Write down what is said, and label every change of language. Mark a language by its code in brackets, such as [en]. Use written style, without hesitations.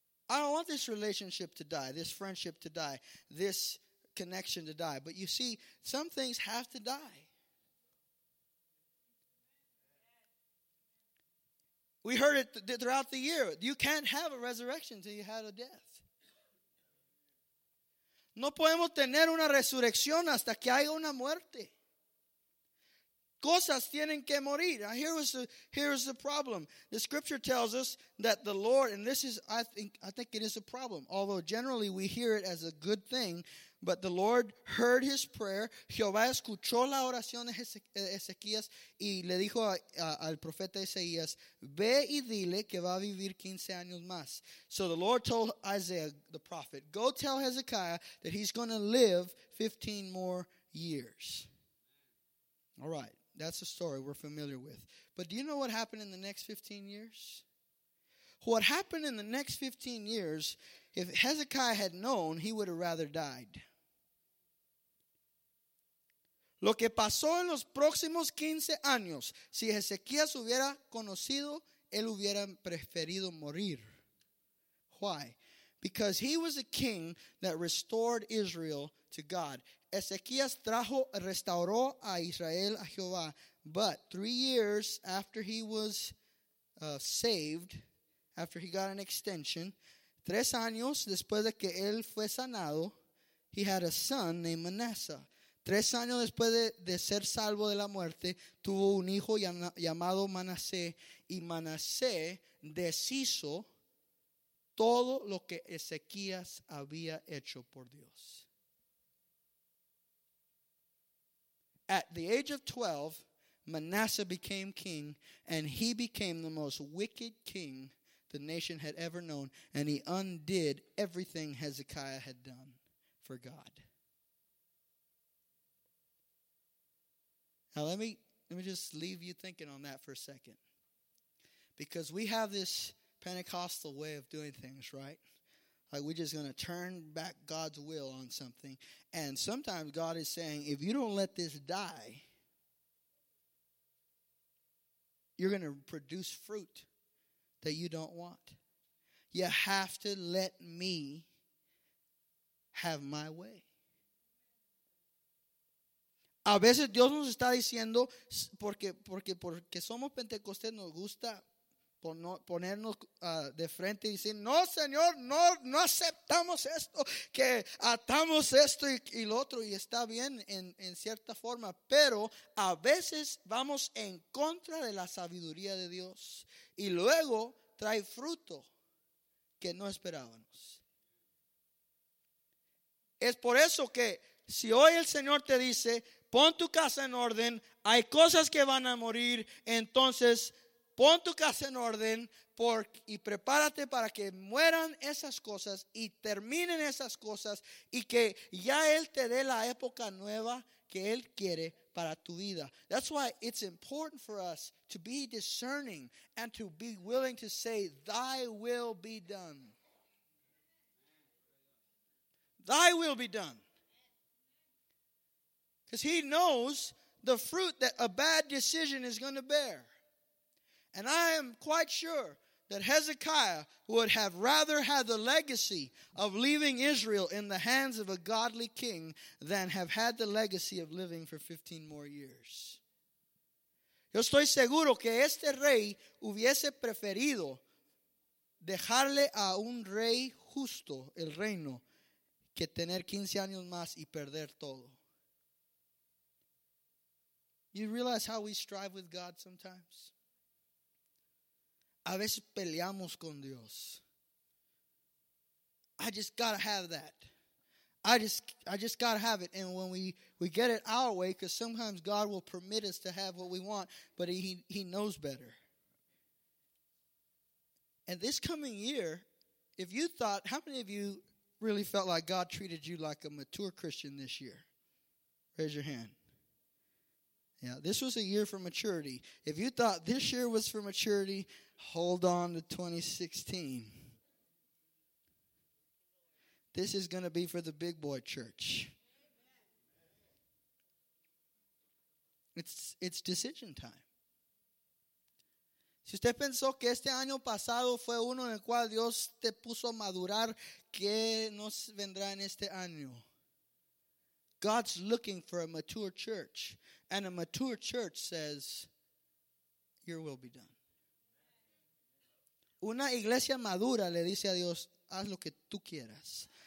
[en] I don't want this relationship to die, this friendship to die, this connection to die. But you see, some things have to die. We heard it throughout the year. You can't have a resurrection until you have a death. [es] No podemos tener una resurrección hasta que haya una muerte. Cosas tienen que morir. [en] Now here's the problem. The scripture tells us that the Lord, and this is, I think it is a problem. Although generally we hear it as a good thing, but the Lord heard his prayer. [es] Jehová escuchó la oración de Ezequías y le dijo al profeta Isaías, ve y dile que va a vivir 15 años más. [en] So the Lord told Isaiah, the prophet, go tell Hezekiah that he's going to live 15 more years. All right, that's a story we're familiar with. But do you know what happened in the next 15 years? What happened in the next 15 years, if Hezekiah had known, he would have rather died. [es] Lo que pasó en los próximos 15 años, si Ezequías hubiera conocido, él hubiera preferido morir. [en] Why? Because he was a king that restored Israel to God. [es] Ezequías trajo, restauró a Israel a Jehová. [en] But 3 years after he was saved, after he got an extension, [es] 3 años después de que él fue sanado, [en] he had a son named Manasseh. [es] 3 años después de ser salvo de la muerte, tuvo un hijo llamado Manasseh. Y Manasseh deshizo todo lo que Ezequías había hecho por Dios. [en] At the age of 12, Manasseh became king, and he became the most wicked king the nation had ever known, and he undid everything Hezekiah had done for God. Now let me just leave you thinking on that for a second. Because we have this Pentecostal way of doing things, right? Like we're just going to turn back God's will on something. And sometimes God is saying, if you don't let this die, you're going to produce fruit that you don't want. You have to let me have my way. [es] A veces Dios nos está diciendo, porque somos pentecostés, nos gusta ponernos de frente y decir, no, Señor, no aceptamos esto, que atamos esto y lo otro, y está bien en cierta forma, pero a veces vamos en contra de la sabiduría de Dios y luego trae fruto que no esperábamos. Es por eso que si hoy el Señor te dice, Pon tu casa en orden. Hay cosas que van a morir. Entonces, pon tu casa en orden y prepárate para que mueran esas cosas y terminen esas cosas y que ya Él te dé la época nueva que Él quiere para tu vida. [en] That's why it's important for us to be discerning and to be willing to say, Thy will be done. Thy will be done. Because He knows the fruit that a bad decision is going to bear. And I am quite sure that Hezekiah would have rather had the legacy of leaving Israel in the hands of a godly king than have had the legacy of living for 15 more years. [es] Yo estoy seguro que este rey hubiese preferido dejarle a un rey justo el reino que tener 15 años más y perder todo. [en] You realize how we strive with God sometimes? [es] A veces peleamos con Dios. [en] I just gotta have that. I just gotta have it. And when we get it our way, because sometimes God will permit us to have what we want, but he knows better. And this coming year, if you thought, how many of you really felt like God treated you like a mature Christian this year? Raise your hand. Yeah, this was a year for maturity. If you thought this year was for maturity, hold on to 2016. This is going to be for the big boy church. It's decision time. [es] Si usted pensó que este año pasado fue uno en el cual Dios te puso a madurar, ¿qué nos vendrá en este año? [en] God's looking for a mature church. And a mature church says, your will be done. [es] Una iglesia madura le dice a Dios, haz lo que tú quieras.